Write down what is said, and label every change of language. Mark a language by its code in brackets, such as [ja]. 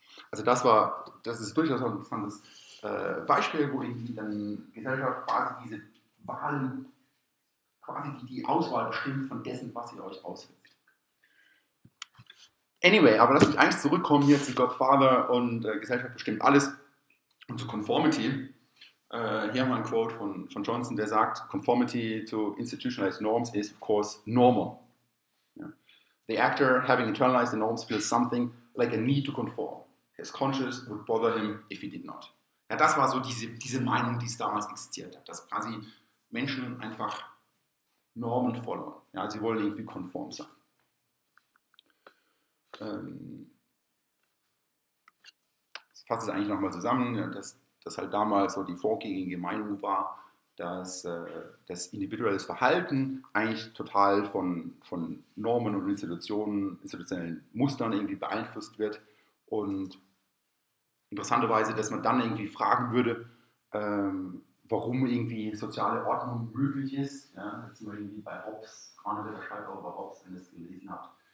[de] Also das ist durchaus ein interessantes Beispiel, wo irgendwie dann Gesellschaft quasi diese Wahlen, quasi die Auswahl bestimmt von dessen, was ihr euch auswählt. Anyway, aber lass mich eigentlich zurückkommen hier zu Godfather und Gesellschaft bestimmt alles und zu Conformity. Hier haben wir ein Quote von Johnson, der sagt, [en] Conformity to institutionalized norms is, of course, normal. Yeah. The actor, having internalized the norms, feels something like a need to conform. His conscience would bother him if he did not. [de] Ja, das war so diese Meinung, die es damals existiert hat, dass quasi Menschen einfach Normen folgen. Ja, sie wollen irgendwie konform sein. Ich fasse es eigentlich nochmal zusammen, dass halt damals so die vorgängige Meinung war, dass das individuelle Verhalten eigentlich total von Normen und Institutionen, institutionellen Mustern irgendwie beeinflusst wird und interessanterweise, dass man dann irgendwie fragen würde, warum irgendwie soziale Ordnung möglich ist, ja, zum Beispiel bei Hobbes, gerade der Schreiber über Hobbes, wenn ihr das gelesen habt.